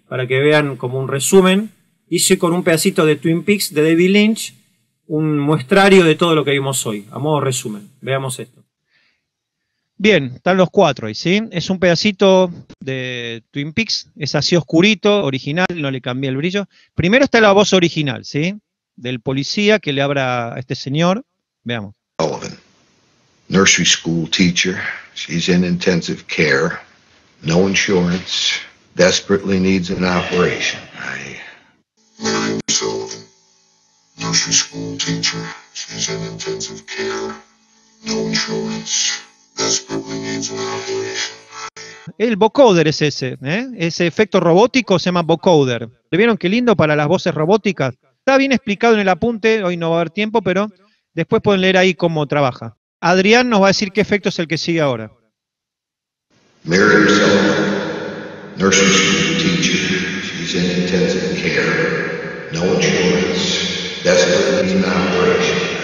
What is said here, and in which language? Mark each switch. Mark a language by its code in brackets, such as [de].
[es] Para que vean como un resumen. Hice con un pedacito de Twin Peaks de David Lynch un muestrario de todo lo que vimos hoy, a modo resumen. Veamos esto. Bien, están los cuatro ahí, ¿sí? Es un pedacito de Twin Peaks, es así oscurito, original, no le cambié el brillo. Primero está la voz original, ¿sí? Del policía que le abra a este señor. Veamos. [en] Nursery school teacher, she's in intensive care, no insurance, desperately needs an operation. [es] El vocoder es ese, ese efecto robótico se llama vocoder. ¿Vieron qué lindo para las voces robóticas? Está bien explicado en el apunte, hoy no va a haber tiempo, pero después pueden leer ahí cómo trabaja. Adrián nos va a decir qué efecto es el que sigue ahora. [en] Mirror himself. Nursing school teacher. She's in intensive care. No insurance. Desperate needs an operation.